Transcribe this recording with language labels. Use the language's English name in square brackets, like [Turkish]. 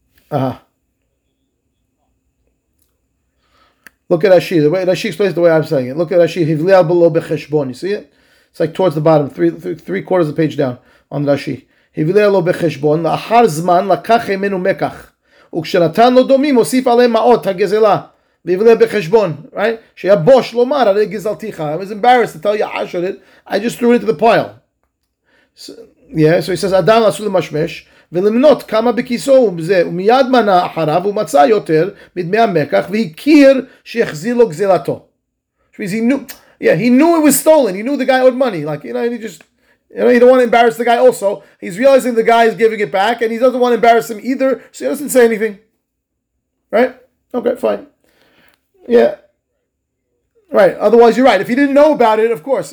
[English] Uh-huh. Look at Rashi. The way Rashi explains it, the way I'm saying it. Look at Rashi. [Hebrew] Hivliyal below bechesbon. [English] You see it? It's like towards the bottom, three quarters of the page down on Rashi. [Hebrew] Hivliyal below bechesbon. La'achar zman la'kach emenu mekach. וכשנתן לו דומים, הוסיף עליהם מעות הגזלה. ויבלה בחשבון, [English] right? [Hebrew] שיהיה בוש לומר, הרי גזלתיך. [English] I was embarrassed to tell you, I should it. I just threw it into the pile. So he says, [Hebrew] אדם עשו למשמש, ולמנות כמה בכיסו זה, ומיד מנה אחריו, הוא מצא יותר מדמי המקח, והכיר שיחזיר לו גזלתו. [English] Which means he knew it was stolen. He knew the guy owed money. Like, you know, and he just... You know, he don't want to embarrass the guy also. He's realizing the guy is giving it back, and he doesn't want to embarrass him either, so he doesn't say anything. Right? Okay, fine. Yeah. Right, otherwise you're right. If he didn't know about it, of course.